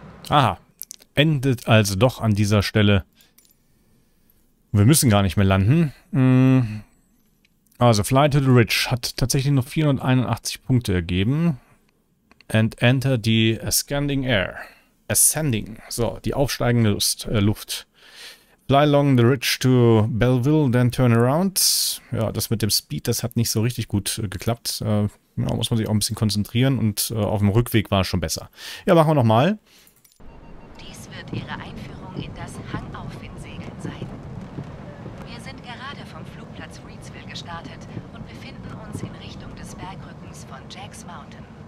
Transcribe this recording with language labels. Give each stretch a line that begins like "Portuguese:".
German: Aha. Endet also doch an dieser Stelle. Wir müssen gar nicht mehr landen. Also, Fly to the Ridge hat tatsächlich noch 481 Punkte ergeben.
English: And enter the ascending air. Ascending.
German: So, die aufsteigende Lust, Luft.
English: Fly along the ridge to Belleville, then turn around.
German: Ja, das mit dem Speed, das hat nicht so richtig gut geklappt. Ja, muss man sich auch ein bisschen konzentrieren und auf dem Rückweg war es schon besser. Ja, machen wir nochmal. Ihre Einführung in das Hangaufwindsegeln sein. Wir sind gerade vom Flugplatz Reedsville gestartet und befinden uns in Richtung des Bergrückens von Jack's Mountain.